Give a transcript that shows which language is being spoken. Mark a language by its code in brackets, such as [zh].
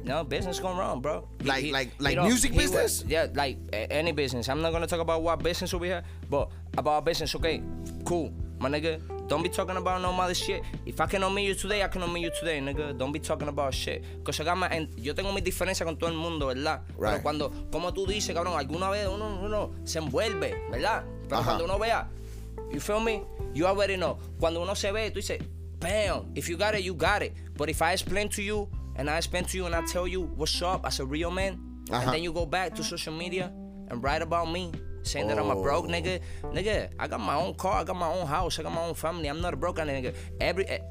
[en] No, business gone wrong, bro. Music business? Any business. I'm not going to talk about what business over here, but about business. Okay, cool. My nigga, don't be talking about no mother shit. If I cannot meet you today, I cannot meet you today, nigga. Don't be talking about shit. Because [es] yo tengo mi diferencia con todo el mundo, ¿verdad? [en] Right. [es] Pero cuando, como tú dices, cabrón, alguna vez uno se envuelve, ¿verdad? Pero cuando uno vea, [en] you feel me? You already know. [es] Cuando uno se ve, tú dices, [en] bam, if you got it, you got it. But if I explain to you, and I tell you what's up as a real man, and then you go back to social media and write about me, saying that I'm a broke nigga. Nigga, I got my own car, I got my own house, I got my own family. I'm not a broke ass nigga.